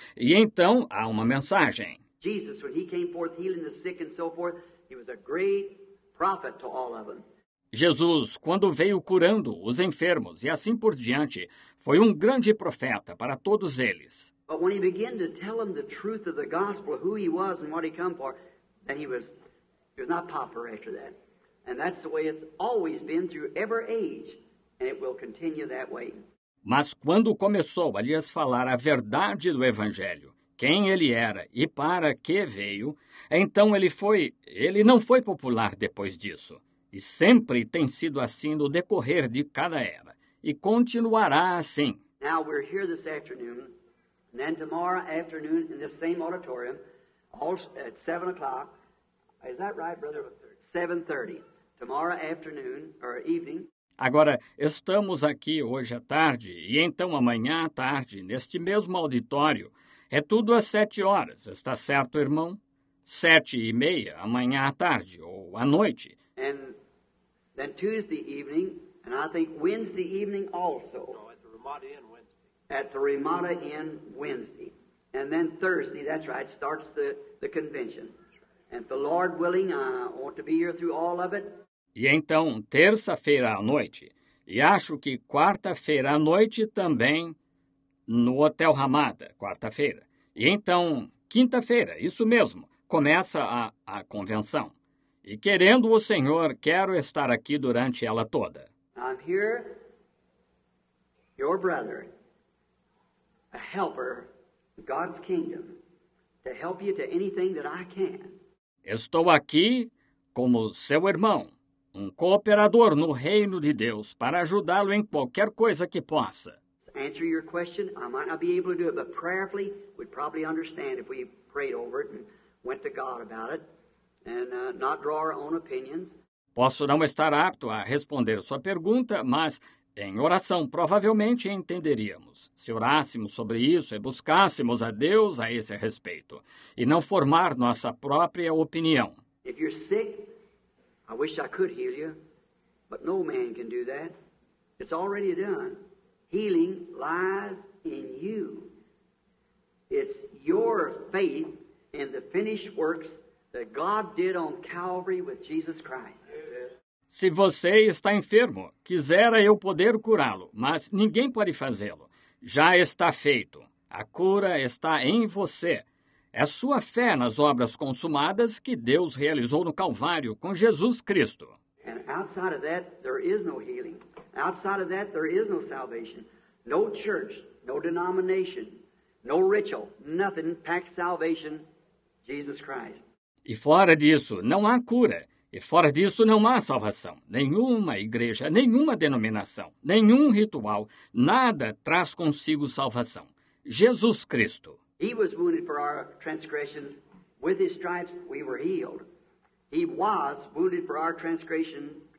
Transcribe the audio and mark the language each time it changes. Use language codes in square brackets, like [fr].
[pt] E então há uma mensagem. [en] Jesus, [pt] quando ele veio [en] forth healing the sick and so forth, he was a great prophet to all of them. [pt] Jesus, quando veio curando os enfermos e assim por diante, foi um grande profeta para todos eles. [en] But when he began to tell them the truth of the gospel, who he was and what he came for, then he was not pauper after that. And that's the way it's always been through every age, and it will continue that way. [pt] Mas quando começou a lhes falar a verdade do evangelho, quem ele era e para que veio, então ele não foi popular depois disso. E sempre tem sido assim no decorrer de cada era. E continuará assim. [en] Now we're here this afternoon, and then tomorrow afternoon in the same auditorium, also at 7 o'clock. Is that right, brother? 7:30. Tomorrow afternoon or evening. [pt] Agora, estamos aqui hoje à tarde, e então amanhã à tarde, neste mesmo auditório. É tudo às 7 horas, está certo, irmão? 7:30, amanhã à tarde, ou à noite. [en] And then Tuesday evening, and I think Wednesday evening also. No, at the Ramada Inn Wednesday. At the Ramada Inn Wednesday. And then Thursday, that's right, starts the convention. And if the Lord willing, I want to be here through all of it. [pt] E então, terça-feira à noite, e acho que quarta-feira à noite também, no Hotel Ramada, quarta-feira. E então, quinta-feira, isso mesmo, começa a convenção. E querendo o Senhor, quero estar aqui durante ela toda. [en] I'm here, your brother, a helper, God's kingdom, to help you to anything that I can. [pt] Estou aqui como seu irmão, um cooperador no reino de Deus, para ajudá-lo em qualquer coisa que possa. [en] Answer your question. I might not be able to do it, but prayerfully, we'd probably understand if we prayed over it and went to God about it. And not draw our own opinions. [pt] Posso não estar apto a responder sua pergunta, mas em oração provavelmente entenderíamos. Se orássemos sobre isso e buscássemos a Deus a esse respeito, e não formar nossa própria opinião. [en] If you're sick, I wish I could heal you, but no man can do that. It's already done. Healing lies in you. It's your faith in the finished works that God did on Calvary with Jesus Christ. [pt] Se você está enfermo, quisera eu poder curá-lo, mas ninguém pode fazê-lo. Já está feito. A cura está em você. É sua fé nas obras consumadas que Deus realizou no Calvário com Jesus Cristo. [en] And outside of that, there is no healing. Outside of that, there is no salvation. No church, no denomination, no ritual, nothing packs salvation, Jesus Christ. [pt] E fora disso, não há cura. E fora disso, não há salvação. Nenhuma igreja, nenhuma denominação, nenhum ritual, nada traz consigo salvação. Jesus Cristo. [en] He was wounded for our transgressions. With his stripes, we were healed. He was wounded for our transgressions.